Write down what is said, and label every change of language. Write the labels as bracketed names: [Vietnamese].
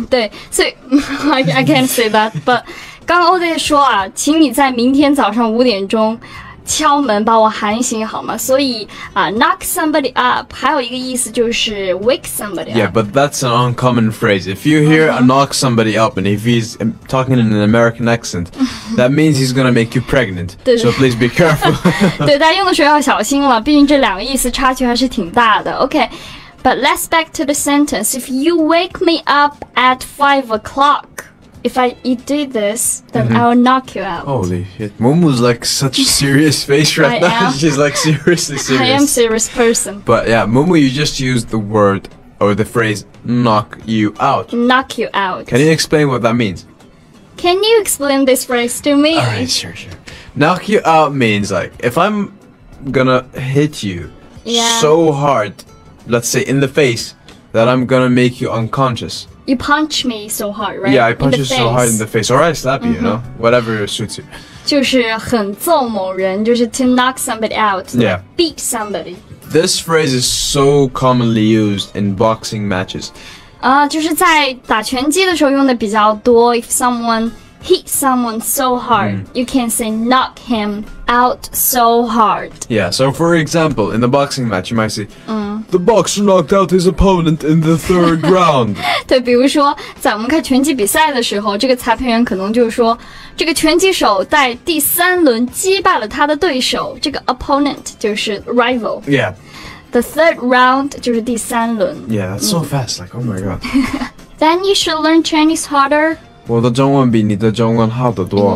[Chinese] 对，所以 [English] I can't say that. But [Chinese] 刚刚 Ode 说啊，请你在明天早上5点敲门把我喊醒好吗？所以啊 ，knock somebody up 还有一个意思就是 [English] wake somebody up. Yeah, but that's an uncommon phrase. If you hear a knock somebody up and if he's talking in an American accent, that means he's gonna make you pregnant. So please be careful. [Chinese] 对，大家用的时候要小心了，毕竟这两个意思差距还是挺大的。 [English] Okay. But let's back to the sentence. If you wake me up at 5 o'clock, if you do this, then I'll knock you out. Holy shit. Mumu's like such a serious face right now. She's like seriously serious. I am a serious person. But yeah, Mumu, you just used the word or the phrase knock you out. Knock you out. Can you explain what that means? Can you explain this phrase to me? All right, sure. Knock you out means like if I'm gonna hit you so hard. Let's say in the face that I'm gonna make you unconscious. You punch me so hard, right? Yeah, I punch you so hard in the face. Or I slap you, you know? Whatever suits you. [Chinese] 就是很揍某人，就是 [English] to knock somebody out. Yeah. Beat somebody. This phrase is so commonly used in boxing matches. [Chinese] 就是在打拳击的时候用的比较多。 [English] If someone hits someone so hard, you can say knock him out so hard. Yeah, so for example, in the boxing match, you might say,The boxer knocked out his opponent in the third round. [Chinese] 对，比如说在我们看拳击比赛的时候，这个裁判员可能就说，这个拳击手在第三轮击败了他的对手，这个 opponent 就是 rival. [English] Yeah. [Chinese] The third round 就是第三轮。 [English] Yeah, that's so fast, like, oh my god. Then you should learn Chinese harder. [Chinese] 我的中文比你的中文好得多。